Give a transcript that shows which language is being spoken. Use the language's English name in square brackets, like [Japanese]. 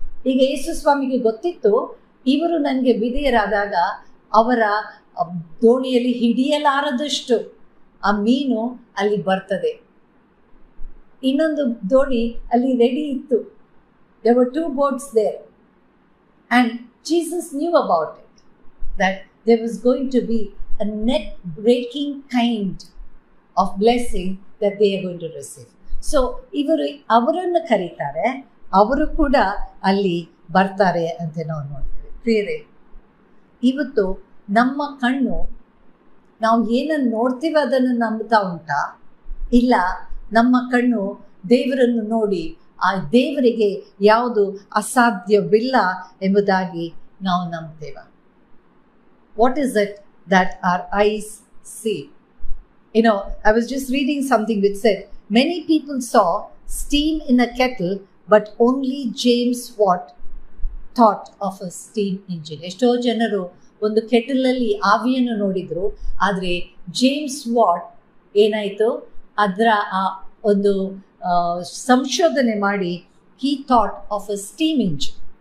[Kannada] ಈಗ ಯೇಸು ಸ್ವಾಮಿಗೆ ಗೊತ್ತಿತ್ತು ಇವರು ನನಗೆ ವಿಧೇಯರಾದಾಗ ಅವರ ದೋಣಿಯಲ್ಲಿ ಹಿಡಿಯಲಾರದಷ್ಟು ಆ ಮೀನು ಅಲ್ಲಿ ಬರ್ತದೆ. ಇನ್ನೊಂದು ದೋಣಿ ಅಲ್ಲಿ ರೆಡಿ ಇತ್ತು. [English] There were two boats there, and Jesus knew about it, that there was going to be a net breaking kind of blessing that they are going to receive. [Kannada] So ivaru avarannu karitare avaru kuda alli bartare ante navu nodtare. Priyare, ivattu namma kannu navu yena nortive adanna nambuta unta illa namma kannu devarannu nodi ಆ ದೇವರಿಗೆ ಯಾವುದು ಅಸಾಧ್ಯವಿಲ್ಲ ಎಂಬುದಾಗಿ ನಾವು ನಂಬ್ತೇವೆ. [English] What is it that our eyes see? You know I was just reading something which said many people saw steam in a kettle but only James Watt thought of a steam engine. [Kannada] ಎಷ್ಟೋ ಜನರು ಒಂದು ಕೆಟಲಲ್ಲಿ ಆವಿಯನ್ನು ನೋಡಿದರು, ಆದರೆ James what ಏನಾಯಿತು ಅದರ ಆ ಒಂದು ಸಂಶೋಧನೆ ಮಾಡಿ [English] He thought of a steam engine.